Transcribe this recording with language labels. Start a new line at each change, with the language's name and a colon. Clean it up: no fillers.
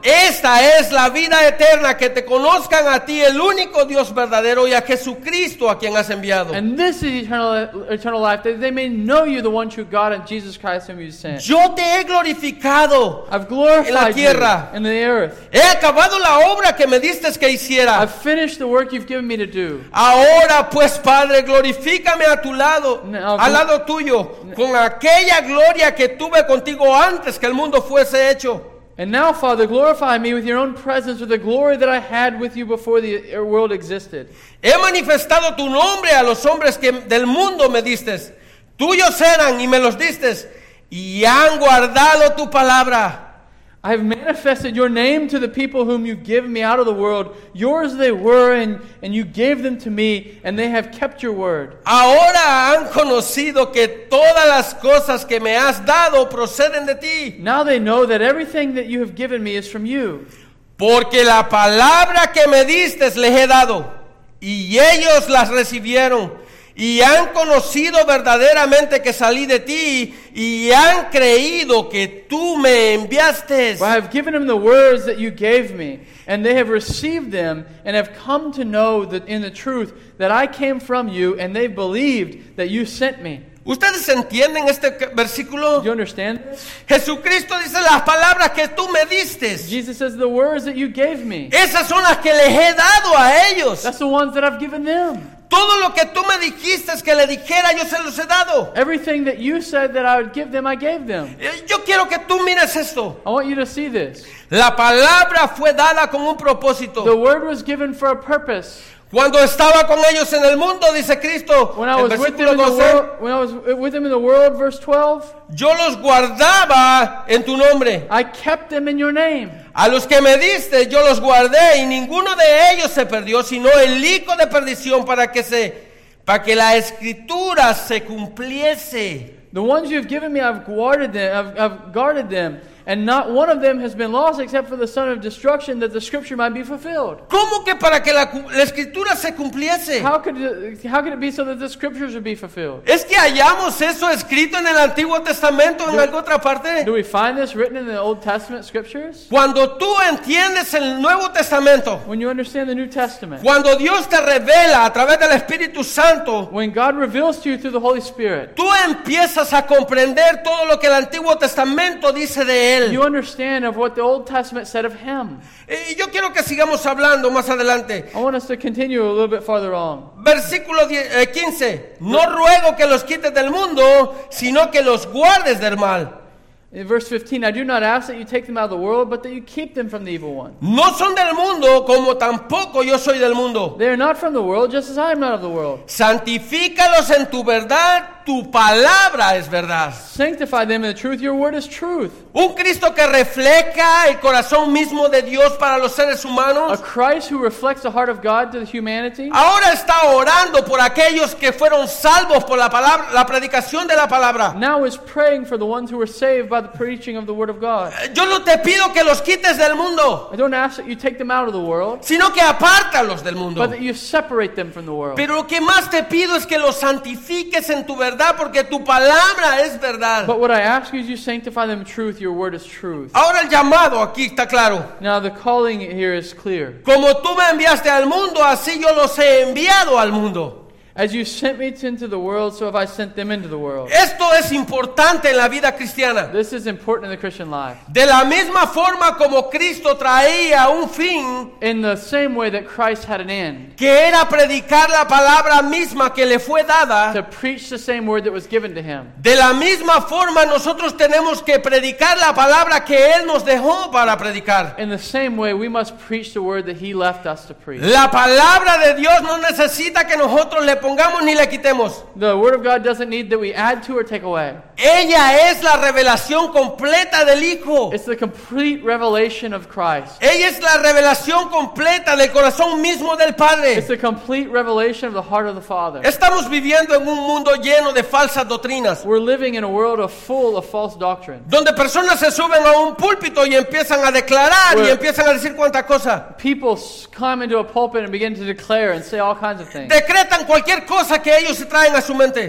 Spanish: Esta es la vida eterna, que te conozcan a ti el único Dios verdadero y a Jesucristo a quien has enviado.
English: And this is eternal life, that they may know you, the one true God, and Jesus Christ whom you sent.
Spanish: Yo te he glorificado.
English: I've glorified
Spanish: en la tierra.
English: You in the earth.
Spanish: He acabado la obra que me diste que hiciera.
English: I've finished the work you've given me to do.
Spanish: Ahora pues, Padre, glorifícame a tu lado, al lado tuyo, con aquella gloria que tuve contigo antes que el mundo fuese hecho.
English: And now, Father, glorify me with your own presence, with the glory that I had with you before the world existed.
Spanish: He manifestado tu nombre a los hombres que del mundo me diste. Tuyos eran y me los diste. Y han guardado tu palabra.
English: I've manifested your name to the people whom you give me out of the world. Yours they were, and you gave them to me, and they have kept your word.
Spanish: Ahora han conocido que todas las cosas que me has dado proceden de ti.
English: Now they know that everything that you have given me is from you.
Spanish: Porque la palabra que me diste les he dado, y ellos las recibieron. Y han conocido verdaderamente que salí de ti, y han creído que tú me enviaste.
English: Well, I have given them the words that you gave me, and they have received them, and have come to know that in the truth that I came from you, and they believed that you sent me.
Spanish: ¿Ustedes entienden este versículo?
English: Do you understand?
Spanish: Jesucristo dice las palabras que tú me diste.
English: Jesus says the words that you gave me.
Spanish: Esas son las que les he dado a ellos.
English: That's the ones that I've given them.
Spanish: Todo lo que tú me dijiste que le dijera, yo se los he dado.
English: Everything that you said that I would give them, I gave them.
Spanish: Yo quiero que tú mires esto.
English: I want you to see this.
Spanish: La palabra fue dada con un propósito.
English: The word was given for a purpose.
Spanish: Cuando estaba con ellos en el mundo, dice Cristo, en versículo 12,
English: when I was with them in the world, verse 12,
Spanish: yo los guardaba en tu nombre.
English: I kept them in your name.
Spanish: A los que me diste, yo los guardé, y ninguno de ellos se perdió, sino el hijo de perdición, para que la escritura se cumpliese.
English: The ones you've given me, I've guarded them. I've guarded them. And not one of them has been lost except for the son of destruction, that the scripture might be fulfilled.
Spanish: ¿Cómo que para que la escritura se cumpliese?
English: How could it be so that the scriptures would be fulfilled?
Spanish: ¿Es que hallamos eso escrito en el Antiguo Testamento en alguna otra parte?
English: Do we find this written in the Old Testament scriptures?
Spanish: Cuando tú entiendes el Nuevo Testamento.
English: When you understand the New Testament.
Spanish: Cuando Dios te revela a través del Espíritu Santo.
English: When God reveals to you through the Holy Spirit.
Spanish: Tú empiezas a comprender todo lo que el Antiguo Testamento dice de él.
English: You understand of what the Old Testament said of him.
Spanish: Y yo quiero que sigamos hablando más adelante.
English: I want us to continue a little bit farther on.
Spanish: Versículo 15. No ruego que los quites del mundo, sino que los guardes del mal.
English: In verse 15, I do not ask that you take them out of the world, but that you keep them from the evil one.
Spanish: No son del mundo, como tampoco yo soy del mundo.
English: They are not from the world, just as I am not of the world.
Spanish: Santifícalos en tu verdad, tu palabra es verdad.
English: Sanctify them in the truth, your word is truth.
Spanish: Un Cristo que refleja el corazón mismo de Dios para los seres humanos.
English: A Christ who reflects the heart of God to the humanity.
Spanish: Ahora está orando por aquellos que fueron salvos por la predicación de la palabra.
English: Now is praying for the ones who were saved by the preaching of the word of God.
Spanish: Yo no te pido que los quites del mundo.
English: I don't ask that you take them out of the world.
Spanish: Sino que apártalos del mundo.
English: But that you separate them from the world.
Spanish: Pero lo que más te pido es que los santifiques en tu verdad, porque tu palabra es verdad.
English: But what I ask you is you sanctify them in truth, your word is truth.
Spanish: Ahora el llamado aquí está claro.
English: Now the calling here is clear.
Spanish: Como tú me enviaste al mundo, así yo los he enviado al mundo.
English: As you sent me into the world, so have I sent them into the world.
Spanish: Esto es importante en la vida cristiana.
English: This is important in the Christian life.
Spanish: De la misma forma como Cristo traía un fin.
English: In the same way that Christ had an end.
Spanish: Que era predicar la palabra misma que le fue dada.
English: To preach the same word that was given to him.
Spanish: De la misma forma nosotros tenemos que predicar la palabra que él nos dejó para predicar.
English: In the same way we must preach the word that he left us to preach.
Spanish: La palabra de Dios no necesita que nosotros le pongamos ni le quitemos.
English: The word of God doesn't need that we add to or take away.
Spanish: Ella es la revelación completa del Hijo.
English: It's the complete revelation of Christ.
Spanish: Ella es la revelación completa del corazón mismo del Padre.
English: It's the complete revelation of the heart of the Father.
Spanish: Estamos viviendo en un mundo lleno de falsas doctrinas.
English: We're living in a world full of false doctrine.
Spanish: Donde personas se suben a un púlpito y empiezan a declarar y empiezan a decir cuánta cosa.
English: People climb into a pulpit and begin to declare and say all kinds of things.
Spanish: Decretan cualquier cosa que ellos se traen a su mente.